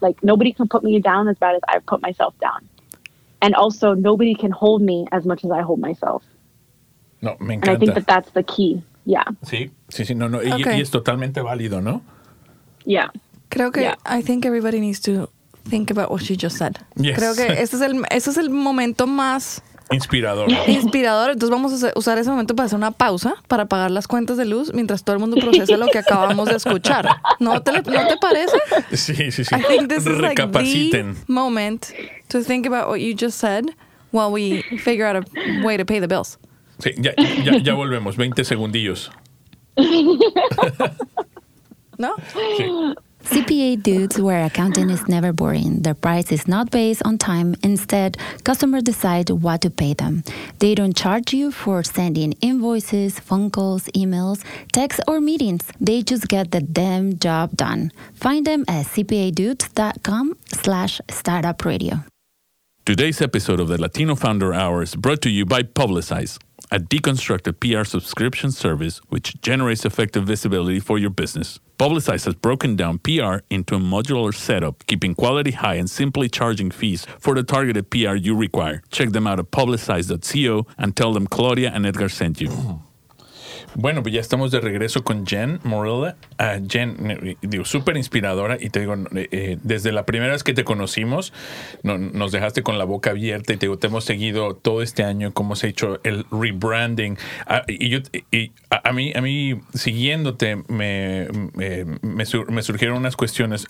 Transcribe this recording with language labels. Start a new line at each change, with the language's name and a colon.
English: Like, nobody can put me down as bad as I've put myself down. And also, nobody can hold me as much as I hold myself.
Spanish: No, me encanta.
English: And I think that that's the key. Yeah.
Spanish: Sí. No. Okay. Y es totalmente válido, ¿no?
English: Yeah.
Spanish: Creo que
English: yeah. I think everybody needs to think about what she just said. Yes.
Spanish: Creo que ese es el momento más inspirador. Entonces vamos a usar ese momento para hacer una pausa para pagar las cuentas de luz mientras todo el mundo procesa lo que acabamos de escuchar. ¿No te parece? Sí.
English: I think this
Spanish: Recapaciten.
English: Is like the moment to think about what you just said while we figure out a way to pay the bills.
Spanish: Sí, ya volvemos. 20 segundillos. ¿No? Sí.
English: CPA dudes where accounting is never boring. Their price is not based on time. Instead, customers decide what to pay them. They don't charge you for sending invoices, phone calls, emails, texts, or meetings. They just get the damn job done. Find them at cpadudes.com/startupradio. Today's episode of the Latino Founder Hour is brought to you by Publicize, a deconstructed PR subscription service which generates effective visibility for your business. Publicize has broken down PR into a modular setup, keeping quality high and simply charging fees for the targeted PR you require. Check them out at publicize.co and tell them Claudia and Edgar sent you.
Spanish: Bueno, pues ya estamos de regreso con Jen Morilla. Jen, digo, súper inspiradora. Y te digo, desde la primera vez que te conocimos, nos dejaste con la boca abierta. Y te digo, te hemos seguido todo este año, cómo se ha hecho el rebranding. A mí, siguiéndote, me surgieron unas cuestiones.